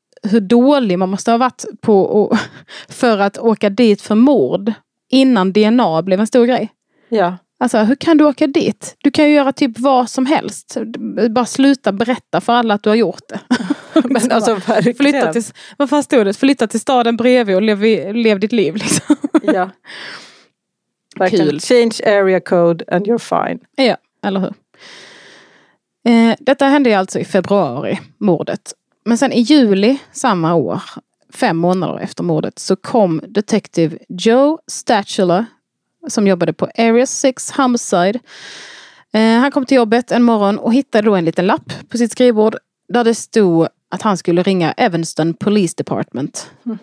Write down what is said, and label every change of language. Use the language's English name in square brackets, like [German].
[Swedish] hur dålig man måste ha varit på och, för att åka dit för mord innan DNA blev en stor grej. Ja. Alltså, hur kan du åka dit? Du kan ju göra typ vad som helst. Bara sluta berätta för alla att du har gjort det. Men alltså, verkligen. Flytta till, vad fan stod det? Flytta till staden bredvid och lev ditt liv, liksom. Ja. Kul. [English] Change area code and you're fine. [Swedish] Ja, eller hur? Detta hände alltså i februari, mordet. Men sen i juli samma år, 5 månader efter mordet, så kom detective Joe Stachula, som jobbade på Area 6 Homicide. Han kom till jobbet en morgon och hittade då en liten lapp på sitt skrivbord där det stod att han skulle ringa Evanston Police Department. Mm.